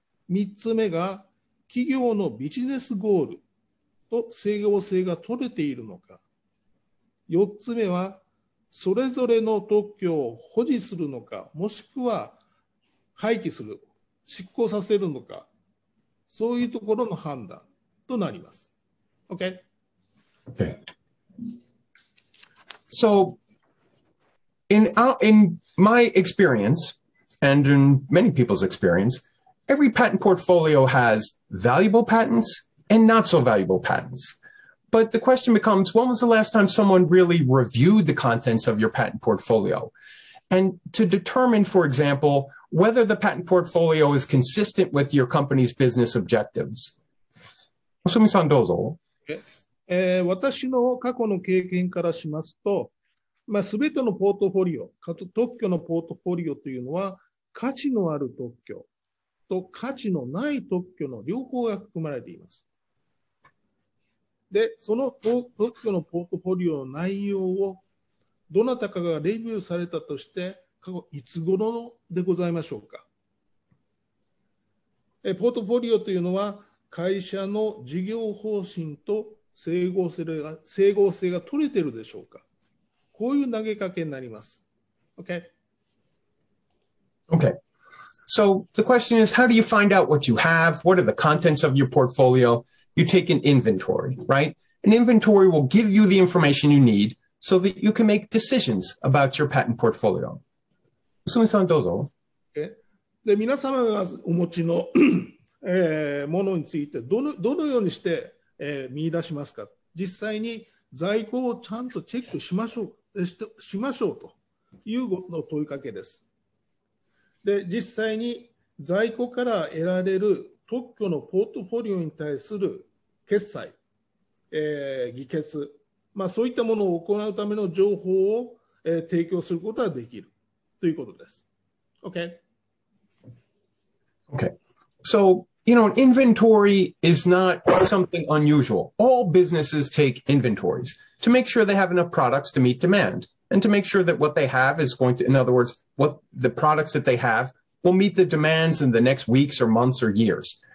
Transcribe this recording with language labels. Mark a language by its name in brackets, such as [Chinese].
[Japanese] 3つ目が企業のビジネスゴールと整合性が取れているのか。 4つ目はそれぞれの特許を保持するのか、もしくは廃棄する、失効させるのか、そういうところの判断となります。 [English] OK? OK. So, in my experience, and in many people's experience, every patent portfolio has valuable patents and not so valuable patents. But the question becomes, when was the last time someone really reviewed the contents of your patent portfolio? And to determine, for example, whether the patent portfolio is consistent with your company's business objectives. [Japanese] Osumi-san, dozo. 私の過去の経験からしますと、まあ、全てのポートフォリオ、特許のポートフォリオというのは、価値のある特許と価値のない特許の両方が含まれています。で、その特許のポートフォリオの内容をどなたかがレビューされたとして、過去いつ頃でございましょうか。ポートフォリオというのは会社の事業方針と整合性が取れているでしょうか。こういう投げかけになります。 [English] Okay. Okay. So the question is, how do you find out what you have? What are the contents of your portfolio? You take an inventory, right? An inventory will give you the information you need so that you can make decisions about your patent portfolio. [Japanese] Sumi-san, dozo. で、皆様がお持ちの、ものについてどのようにして、見出しますか。実際に在庫をちゃんとチェックしましょう、しましょうというの問いかけです。で、実際に在庫から得られる特許のポートフォリオに対する決裁、議決、まあ、そういったものを行うための情報を、提供することができるということです。 [English] Okay. Okay. So, you know, inventory is not something unusual. All businesses take inventories to make sure they have enough products to meet demand and to make sure that what they have is going to, in other words, what the products that they have will meet the demands in the next weeks or months or years.